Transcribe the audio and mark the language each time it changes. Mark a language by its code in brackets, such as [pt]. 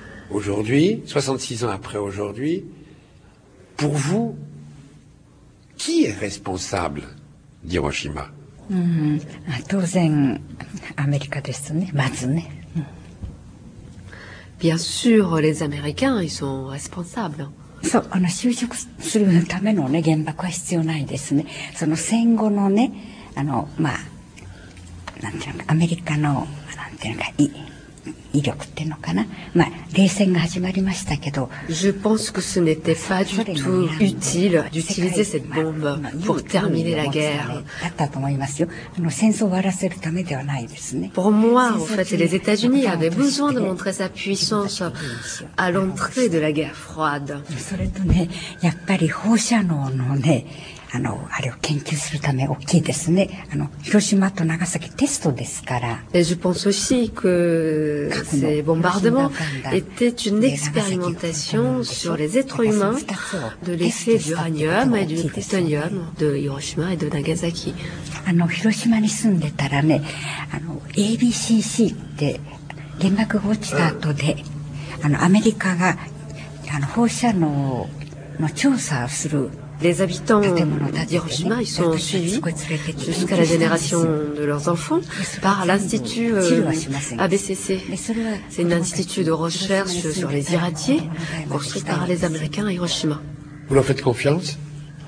[fr] Aujourd'hui, 66 ans après aujourd'hui, pour vous, qui est responsable d'Hiroshima ? Bien sûr, les Américains, ils sont responsables. [ja] そう、就職するためのね、原爆は必要ないですね。その戦後のね、まあ、なんていうのか、アメリカの、なんていうのか、威力っていうのかな。まあ、冷戦が始まりましたけど。 [fr] Je pense que ce n'était pas du tout utile d'utiliser cette bombe pour terminer la guerre. [ja] だったと思いますよ。戦争を終わらせるためではないですね。 [fr] Pour moi, en fait, les États-Unis avaient besoin de montrer sa puissance à l'entrée de la guerre froide. [ja] それとね、やっぱり放射能のね、あれを研究するため大きいですね。広島と長崎テストですから。 [fr] Et je pense aussi que ces bombardements étaient une expérimentation sur les êtres humains de l'effet du uranium et du plutonium de Hiroshima et de Nagasaki. [ja] 広島に住んでたらね、ABCC って原爆が落ちた後で、アメリカが放射能の調査をする。 [fr] Les habitants d'Hiroshima, ils sont suivis jusqu'à la génération de leurs enfants par l'Institut ABCC. C'est un institut de recherche sur les irradiés construit par les Américains à Hiroshima. Vous leur faites confiance ?